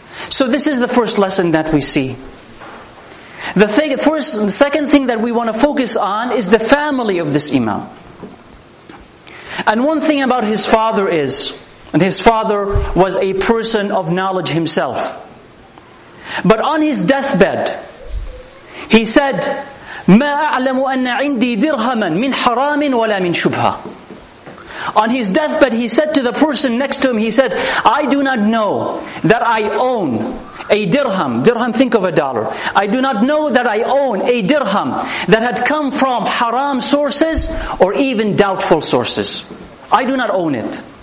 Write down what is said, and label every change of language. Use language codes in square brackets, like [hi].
[en] So this is the first lesson that we see. The second thing that we want to focus on is the family of this imam. And one thing about his father is, and his father was a person of knowledge himself. But on his deathbed, he said, [ar] "ما أعلم أن عندي درهما من حرام ولا من شبهة." [en] On his deathbed, he said to the person next to him, he said, "I do not know that I own a dirham." Dirham, think of a dollar. "I do not know that I own a dirham that had come from haram sources or even doubtful sources. I do not own it."